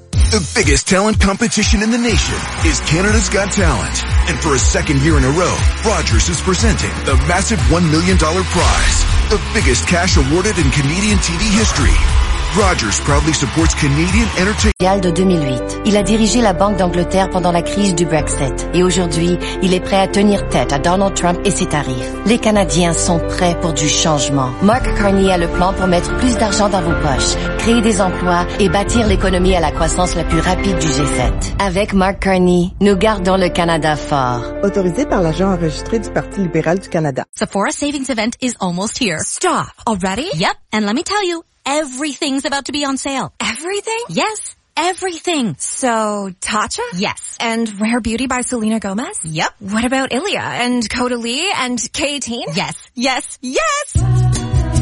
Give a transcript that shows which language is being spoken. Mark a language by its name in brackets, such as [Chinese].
[English] The biggest talent competition in the nation is Canada's Got Talent. And for a second year in a row, Rogers is presenting the massive $1 million prize, the biggest cash awarded in Canadian TV history. Rogers proudly supports Canadian entertainment. [French] De 2008, il a dirigé la Banque d'Angleterre pendant la crise du Brexit. Et aujourd'hui, il est prêt à tenir tête à Donald Trump et ses tarifs. Les Canadiens sont prêts pour du changement. Mark Carney a le plan pour mettre plus d'argent dans vos poches, créer des emplois et bâtir l'économie à la croissance la plus rapide du G7. Avec Mark Carney, nous gardons le Canada fort. Autorisé par l'agent enregistré du Parti libéral du Canada. [English] Sephora savings event is almost here. Stop. Already? Yep, and let me tell you, everything's about to be on sale. Everything? Yes, everything. So, Tatcha? Yes. And Rare Beauty by Selena Gomez? Yep. What about Ilia and Coda Lee and K18? Yes. Yes. Yes!